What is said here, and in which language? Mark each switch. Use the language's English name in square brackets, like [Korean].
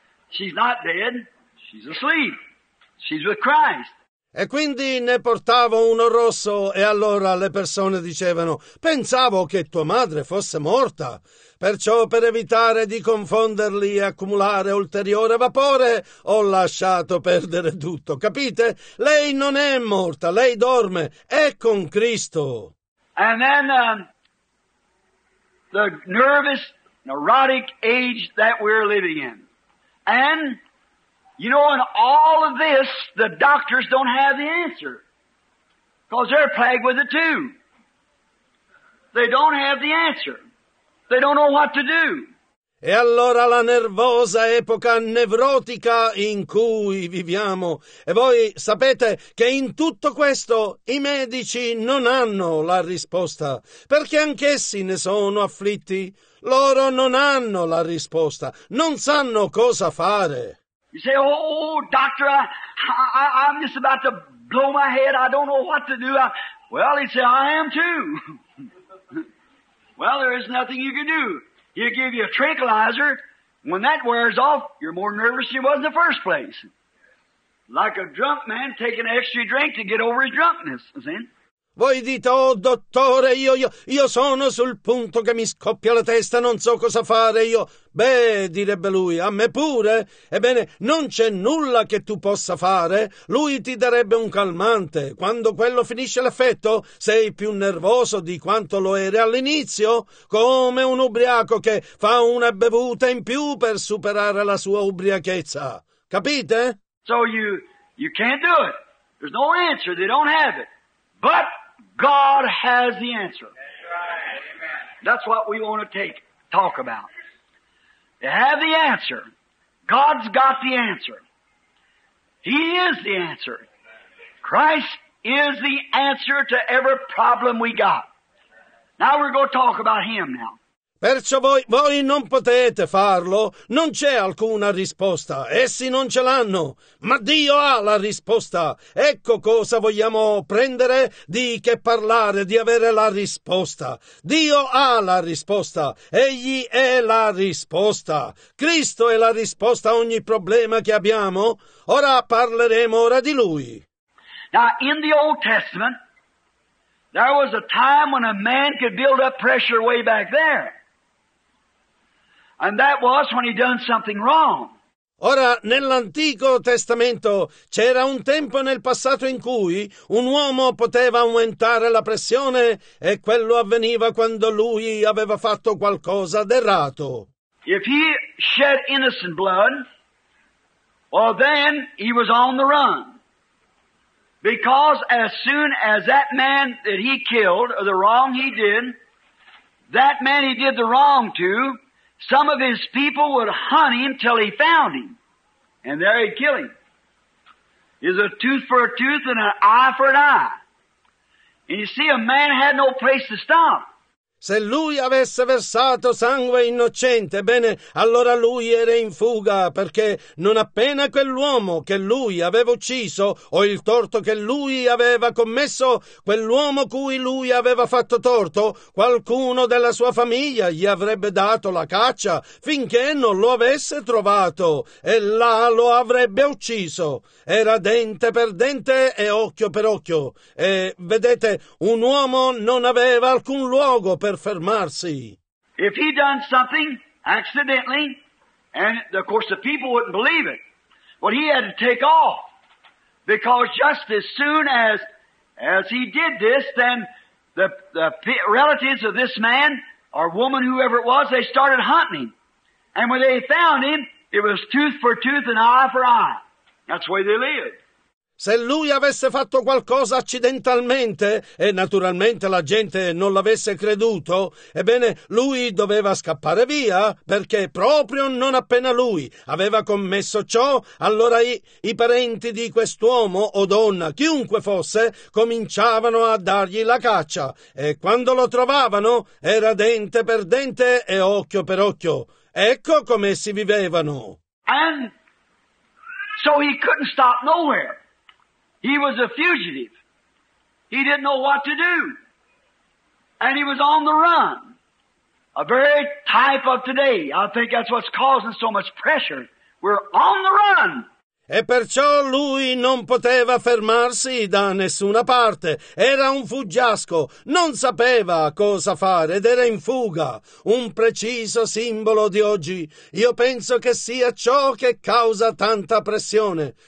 [English] She's not dead, she's asleep, she's with Christ. [Italian] E quindi ne portavo uno rosso e allora le persone dicevano, pensavo che tua madre fosse morta. Perciò per evitare di confonderli e accumulare ulteriore vapore, ho lasciato perdere tutto, capite? Lei non è morta, lei dorme, è con Cristo. [English] And then the nervous, neurotic age that we're living in. And... you know, in all of this, the doctors don't have the answer, because they're plagued with it too. They don't have the answer. They don't know what to do. [Italian] E allora la nervosa epoca nevrotica in cui viviamo. E voi sapete che in tutto questo i medici non hanno la risposta, perché anch'essi ne sono afflitti. Loro non hanno la risposta, non sanno cosa fare. [English] You say, oh, doctor, I'm just about to blow my head. I don't know what to do. Well, he'd say, I am too. Well, there is nothing you can do. He'll give you a tranquilizer. When that wears off, you're more nervous than you was in the first place. Like a drunk man taking an extra drink to get over his drunkenness. See? [Italian] Voi dite, oh dottore, io sono sul punto che mi scoppia la testa, non so cosa fare io. Beh, direbbe lui, a me pure. Ebbene, non c'è nulla che tu possa fare. Lui ti darebbe un calmante. Quando quello finisce l'effetto, sei più nervoso di quanto lo eri all'inizio, come un ubriaco che fa una bevuta in più per superare la sua ubriachezza. Capite? [English] So you can't do it. There's no answer. They don't have it. But God has the answer. That's right. That's what we want to talk about. They have the answer. God's got the answer. He is the answer. Christ is the answer to every problem we got. Now we're going to talk about Him now. [Italian] Perciò voi non potete farlo, non c'è alcuna risposta, essi non ce l'hanno, ma Dio ha la risposta. Ecco cosa vogliamo prendere, di che parlare, di avere la risposta. Dio ha la risposta, Egli è la risposta, Cristo è la risposta a ogni problema che abbiamo. Ora parleremo ora di Lui. [English] Now, in the Old Testament, there was a time when a man could build up pressure way back there. And that was when he done something wrong. [Italian] Ora, nell'Antico Testamento c'era un tempo nel passato in cui un uomo poteva aumentare la pressione, e quello avveniva quando lui aveva fatto qualcosa d'errato. [English] If he shed innocent blood, well then he was on the run. Because as soon as that man that he killed, or the wrong he did, that man he did the wrong to, some of his people would hunt him till he found him, and there he'd kill him. Is a tooth for a tooth and an eye for an eye. And you see, a man had no place to stop. [Italian] Se lui avesse versato sangue innocente, bene, allora lui era in fuga, perché non appena quell'uomo che lui aveva ucciso, o il torto che lui aveva commesso, quell'uomo cui lui aveva fatto torto, qualcuno della sua famiglia gli avrebbe dato la caccia finché non lo avesse trovato, e là lo avrebbe ucciso. Era dente per dente e occhio per occhio. E vedete, un uomo non aveva alcun luogo per fermarsi. [English] If he done something accidentally, and of course the people wouldn't believe it, but he had to take off, because just as soon as he did this, then the relatives of this man or woman, whoever it was, they started hunting him, and when they found him, it was tooth for tooth and eye for eye. That's the way they lived. [Italian] Se lui avesse fatto qualcosa accidentalmente, e naturalmente la gente non l'avesse creduto, ebbene, lui doveva scappare via, perché proprio non appena lui aveva commesso ciò, allora i parenti di quest'uomo o donna, chiunque fosse, cominciavano a dargli la caccia, e quando lo trovavano era dente per dente e occhio per occhio. Ecco come si vivevano. [English] And so he couldn't stop nowhere. He was a fugitive. He didn't know what to do. And he was on the run. A very type of today. I think that's what's causing so much pressure. We're on the run. [Italian] E perciò lui non poteva fermarsi da nessuna parte. Era un fuggiasco. Non sapeva cosa fare ed era in fuga. Un preciso simbolo di oggi. Io penso che sia ciò che causa tanta pressione.